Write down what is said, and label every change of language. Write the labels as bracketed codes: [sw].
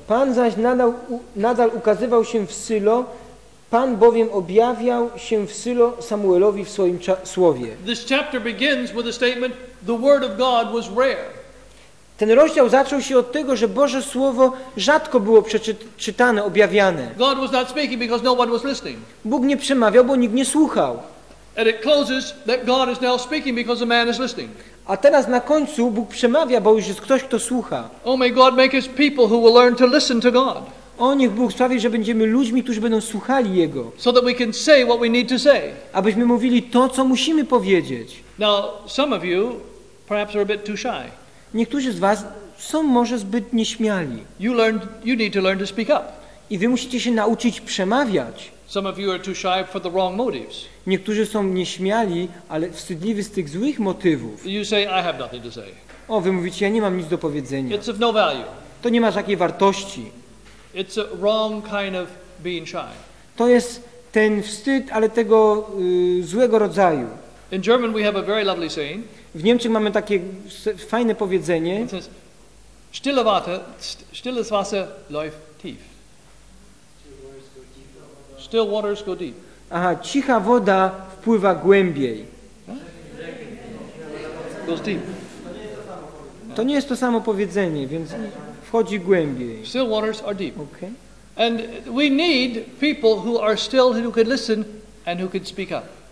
[pl] Pan zaś nadal ukazywał się w Sylo. Pan bowiem objawiał się w Sylo Samuelowi w swoim słowie. [en] This chapter begins with a statement, the word of God was rare. [pl] Ten rozdział zaczął się od tego, że Boże Słowo rzadko było przeczytane, objawiane. [en] God was not speaking because no one was listening. [pl] Bóg nie przemawiał, bo nikt nie słuchał. [en] And it closes that God is now speaking because a man is listening. [pl] A teraz na końcu Bóg przemawia, bo już jest ktoś, kto słucha. [en] Oh, may God make his people who will learn to listen to God. [pl] O, niech Bóg sprawi, że będziemy ludźmi, którzy będą słuchali Jego. [en] So that we can say what we need to say. [pl] Abyśmy mówili to, co musimy powiedzieć. [en] Now, some of you perhaps are a bit too shy. [pl] Niektórzy z was są może zbyt nieśmiali. [en] You need to learn to speak up. [pl] I wy musicie się nauczyć przemawiać. [en] Some of you are too shy for the wrong motives. [pl] Niektórzy są nieśmiali, ale wstydliwi z tych złych motywów. [en] You say, I have nothing to say. [pl] O, wy mówicie, ja nie mam nic do powiedzenia. [en] It's of no value. [pl] To nie ma żadnej wartości. [en] It's a wrong kind of being shy. [pl] To jest ten wstyd, ale tego złego rodzaju. [en] In German we have a very lovely saying. [pl] W Niemczech mamy takie fajne powiedzenie. [de] Stilles Wasser läuft tief. [en] Still waters go deep. [pl] Aha, cicha woda wpływa głębiej. [en] Goes deep. [pl] To nie jest to samo powiedzenie, więc wchodzi głębiej. [en] Still waters are deep. Okay. And we need people who are still, who can listen and who can speak up.